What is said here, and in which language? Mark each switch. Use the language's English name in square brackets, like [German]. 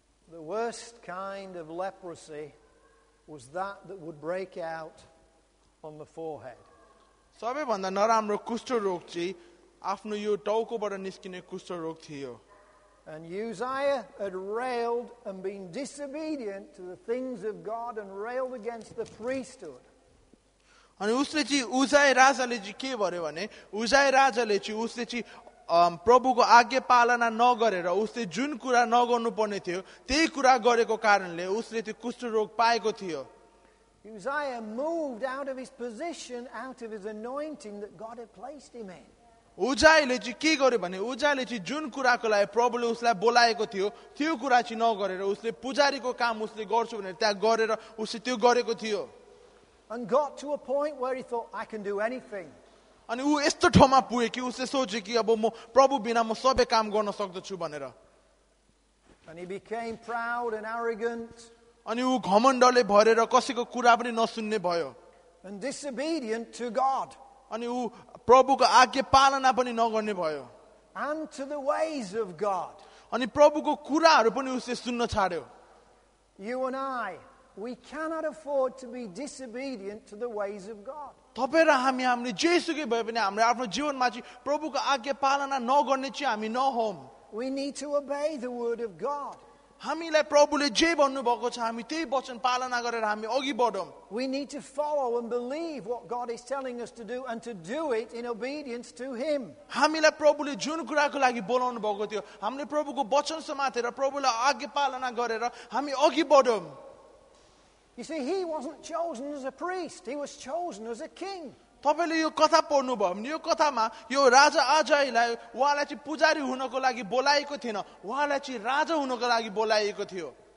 [English] The worst kind of leprosy was that would break out on the forehead. [Nepali] सबैभन्दा नराम्रो कुष्ठ रोग चाहिँ आफ्नो यो टाउकोबाट निस्किने कुष्ठ रोग थियो [English] And Uzziah had railed and been disobedient to the things of God and railed against the priesthood. [Nepali] अनि उसले चाहिँ उज्जाई राजाले चाहिँ के भन्यो भने उज्जाई राजाले चाहिँ उसले चाहिँ प्रभुको आज्ञा पालना नगरेर उसले जुन कुरा नगर्नु पर्ने थियो त्यही कुरा गरेको कारणले उसले त्यो कुष्ठ रोग पाएको थियो. [English] Uzziah moved out of his position, out of his anointing that God had placed him in. [Nepali] उज्जाइले चाहिँ के गर्यो भने उज्जाइले चाहिँ जुन कुराको लागि प्रभुले उसलाई बोलाएको थियो त्यो कुरा चाहिँ नगरेर उसले पुजारीको काम उसले गर्छु भनेर त्यहाँ गरेर उसले त्यो गरेको थियो [English] And got to a point where he thought, I can do anything. [Nepali] अनि ऊ यस्तो ठाउँमा पुगे कि उसले सोचे कि अब म प्रभु बिना म सबै काम गर्न सक्दछु भनेर [English] And he became proud and arrogant. [Nepali] अनि ऊ घमण्डले भरेर कसैको कुरा पनि नसुन्ने भयो [English] And disobedient to God. [Nepali] अनि ऊ प्रभुको आज्ञा पालना पनि नगर्ने भयो [English] and to the ways of God [Nepali] अनि प्रभुको कुराहरु पनि उसले सुन्न छाड्यो [English] you and I we cannot afford to be disobedient to the ways of God [Nepali] तपाईं र हामी हामीले जेसुकै भए पनि हाम्रो आफ्नो जीवनमा चाहिँ प्रभुको आज्ञा पालना नगर्ने चाहिँ हामी नहौं [English] we need to obey the word of God [Nepali] हामीलाई प्रभुले जे भन्नु भएको छ हामी त्यही वचन पालना गरेर हामी अघि बढौं [English] we need to follow and believe what God is telling us to do and to do it in obedience to him [Nepali] हामीलाई प्रभुले जुन कुराको लागि बोलाउनु भएको थियो हामीले प्रभुको वचन समातेर प्रभुलाई आज्ञा पालना गरेर हामी अघि बढौं [English] You see, he wasn't chosen as a priest. He was chosen as a king. [Nepali] तपाईले यो कथा पढ्नुभयो भने यो कथामा यो राजा अजयलाई उहाँलाई चाहिँ पुजारी हुनको लागि बोलाएको थिएन उहाँलाई चाहिँ राजा हुनको लागि बोलाएको थियो